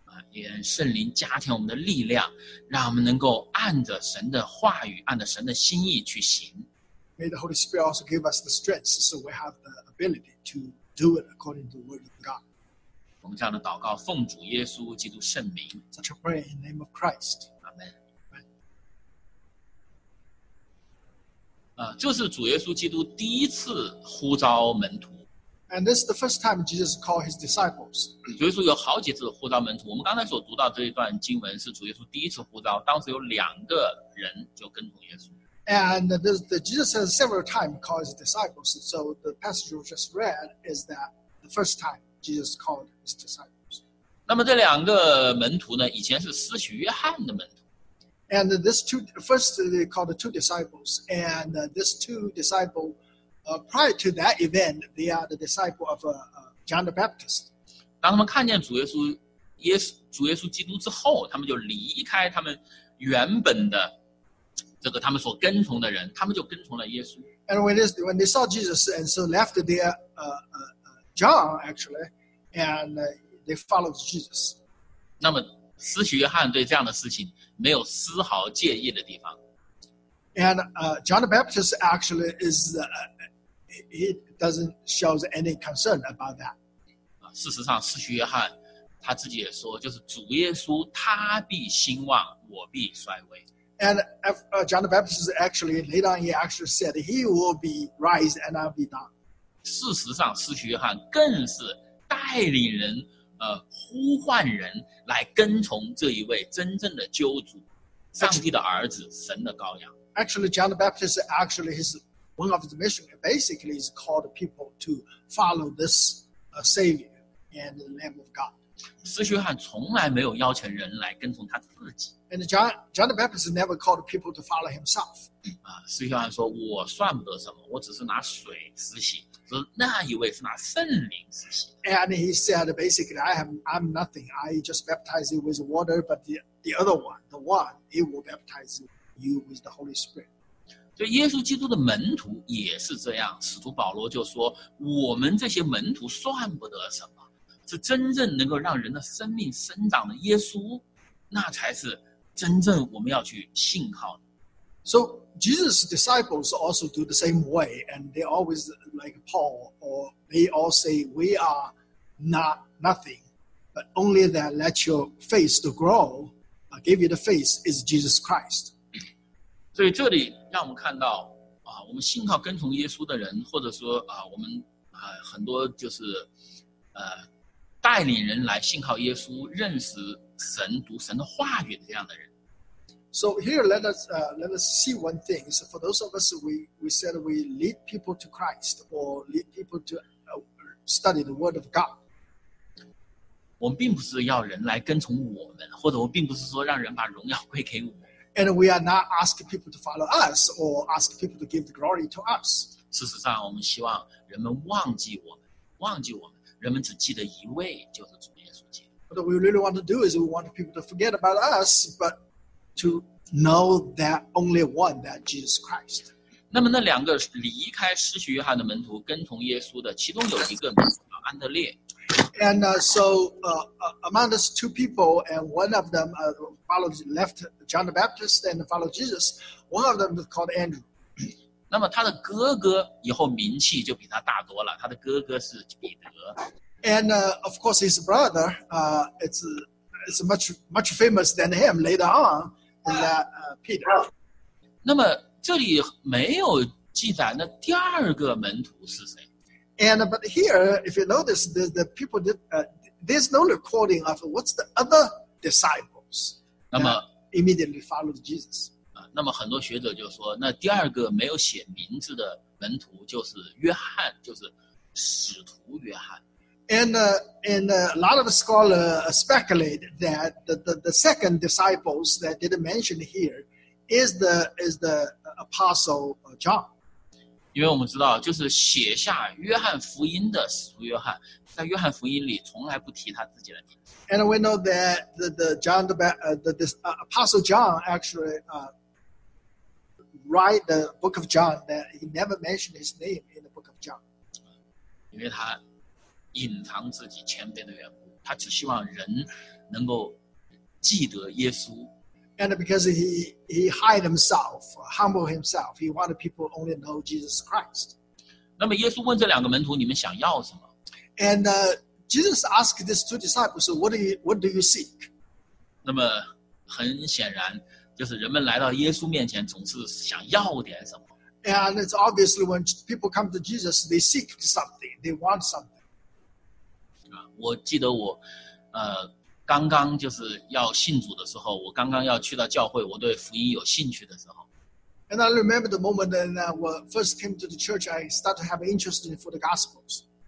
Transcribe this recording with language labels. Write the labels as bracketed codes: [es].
[zh] 也圣灵加添我们的力量，让我们能够按着神的话语，按着神的心意去行。 [en] May the Holy Spirit also give us the strength so we have the ability to do it according to the word of God. [zh] 我们这样的祷告，奉主耶稣基督圣名。 [en] Such a prayer in the name of Christ. Amen. [zh] 这是主耶稣基督第一次呼召门徒。 [en] And this is the first time Jesus called his disciples. [zh] 主耶稣有好几次呼召门徒。我们刚才所读到这一段经文是主耶稣第一次呼召，当时有两个人就跟从耶稣。 [en] And Jesus has several times called his disciples. So the passage we just read is that the first time Jesus called his disciples. [zh] 那么这两个门徒呢，以前是施洗约翰的门徒。 [en] And they called the two disciples. And these two disciples. Prior to that event, they are the disciple of John the Baptist. [zh] 当他们看见主耶稣基督之后，他们就离开他们原本的这个他们所跟从的人，他们就跟从了耶稣。 [en] And when they saw Jesus, and so left their John actually, and they followed Jesus. [zh] 那么施洗约翰对这样的事情没有丝毫介意的地方。 [en] And John the Baptist actually is. He doesn't show any concern about that. [zh] 事实上，施洗约翰他自己也说，就是主耶稣，他必兴旺，我必衰微。 [en] And John the Baptist actually later on he actually said he will be rise and I'll be down. [zh] 事实上，施洗约翰更是带领人，呼唤人来跟从这一位真正的救主，上帝的儿子，神的羔羊。 [en] Actually, John the Baptist actually his. One of the mission basically is called people to follow this Savior and the Lamb of God. [zh] 施洗约翰从来没有邀请人来跟从他自己。 [en] And John the Baptist never called people to follow himself. [zh] 施洗约翰说，我算不得什么，我只是拿水施洗，是那一位是拿圣灵施洗。 [en] And he said basically, I'm nothing. I just baptize you with water, but the other one, the one, he will baptize you with the Holy Spirit. [zh] 所以耶稣基督的门徒也是这样，使徒保罗就说，我们这些门徒算不得什么，是真正能够让人的生命生长的耶稣，那才是真正我们要去信靠的。 [en] So Jesus' disciples also do the same way, and they always like Paul, or they all say, we are not nothing, but only that let your faith to grow, give you the faith is Jesus Christ. [zh] 所以这里让我们看到我们信靠跟从耶稣的人，或者说我们很多就是带领人来信靠耶稣，认识神，读神的话语这样的人。 [en] So here let us see one thing. So for those of us we said we lead people to Christ or lead people to study the word of God. [zh] 我们并不是要人来跟从我们，或者我并不是说让人把荣耀归给我们。 [en] And we are not asking people to follow us or ask people to give the glory to us. [zh] 事实上，我们希望人们忘记我们，忘记我们。人们只记得一位，就是主耶稣基督。 [en] What we really want to do is we want people to forget about us, but to know that only one, that Jesus Christ. [zh] 那么那两个离开失去约翰的门徒，跟从耶稣的，其中有一个门徒叫安德烈。 [en] And among those two people, and one of them left John the Baptist and followed Jesus. One of them is called Andrew. [zh] 那么他的哥哥以后名气就比他大多了。他的哥哥是彼得。 [en] And of course, his brother it's much much famous than him later on than Peter. [zh] 那么这里没有记载，那第二个门徒是谁？ [en] But here, if you notice, the people did, there's no recording of what's the other disciples that immediately followed Jesus. [zh] 那么很多学者就说，那第二个没有写名字的门徒就是约翰，就是使徒约翰。 [en] And a lot of scholars speculate that the second disciples that didn't mention here is the apostle John. [zh] 因为我们知道，就是写下约翰福音的使徒约翰，在约翰福音里从来不提他自己的名字。 [en] And we know that the Apostle John actually write the Book of John that he never mentioned his name in the Book of John. [zh] 因为他隐藏自己谦卑的缘故，他只希望人能够记得耶稣。 [en] And because he hide himself, humble himself, he wanted people only know Jesus Christ. [zh] 那么耶稣问这两个门徒，你们想要什么？ [en] And Jesus asked these two disciples, what do you seek? [zh] 那么很显然，就是人们来到耶稣面前，总是想要点什么。 [en] And it's obviously when people come to Jesus, they seek something, they want something. [zh] 我记得我，刚刚就是要信主的时候，我刚刚要去到教会，我对福音有兴趣的时候。 [en] And I remember the moment when I first came to the church, I started to have interest in for the gospels.